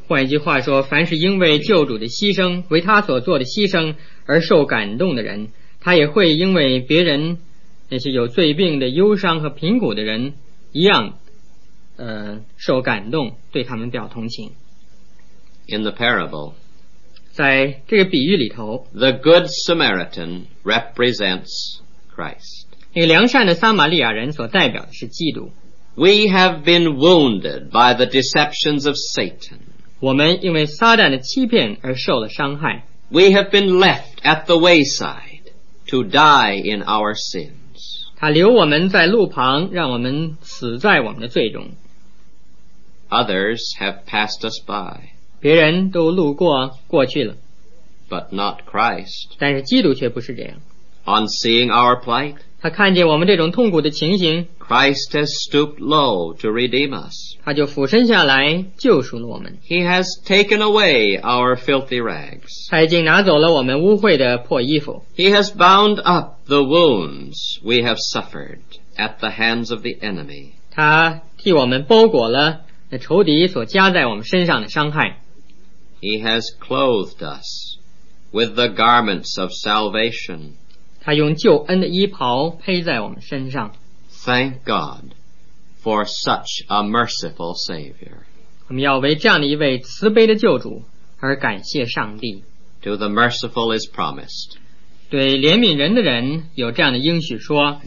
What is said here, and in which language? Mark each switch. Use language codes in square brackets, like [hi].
[zh] 换一句话说，凡是因为救主的牺牲，为他所做的牺牲而受感动的人，他也会因为别人那些有罪病的忧伤和贫苦的人一样，受感动，对他们表同情。 [en] In the parable, [zh] 在这个比喻里头 [en] ，the good Samaritan represents Christ. [zh] 那个良善的撒玛利亚人所代表的是基督。 [en] We have been wounded by the deceptions of Satan. [zh] 我们因为撒旦的欺骗而受了伤害。 [en] We have been left at the wayside to die in our sins. [zh] 他留我们在路旁，让我们死在我们的罪中。 [en] Others have passed us by. [zh] 别人都路过，过去了。 [en] But not Christ. [zh] 但是基督却不是这样。 [en] On seeing our plight, [zh] 他看见我们这种痛苦的情形， [en] Christ has stooped low to redeem us. [zh] 他就俯身下来救赎了我们。 [en] He has taken away our filthy rags. [zh] 他已经拿走了我们污秽的破衣服。 [en] He has bound up the wounds we have suffered at the hands of the enemy. [zh] 他替我们包裹了那仇敌所加在我们身上的伤害。 [en] He has clothed us with the garments of salvation. [zh] 他用救恩的衣袍披在我们身上。 [en] Thank God for such a merciful Savior. [zh] 我们要为这样的一位慈悲的救主而感谢上帝。 [en] To the merciful is promised. [zh] 对怜悯人的人有这样的应许说，